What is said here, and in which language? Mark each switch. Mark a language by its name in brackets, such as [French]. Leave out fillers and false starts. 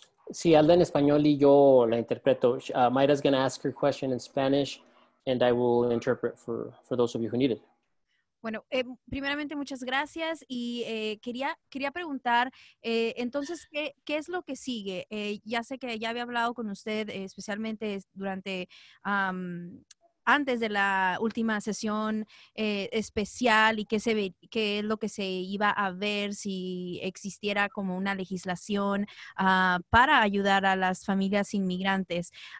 [Spanish] Sí, habla en español y yo la interpreto. [English] Mayra's going to ask her question in Spanish, and I will interpret for those of you who need it. [Spanish] Bueno, primeramente muchas gracias y quería preguntar, entonces, ¿qué es lo que sigue? Ya sé que ya había hablado con usted especialmente durante, antes de la última sesión especial y qué es lo que se iba a ver si existiera como una legislación para ayudar a las familias inmigrantes.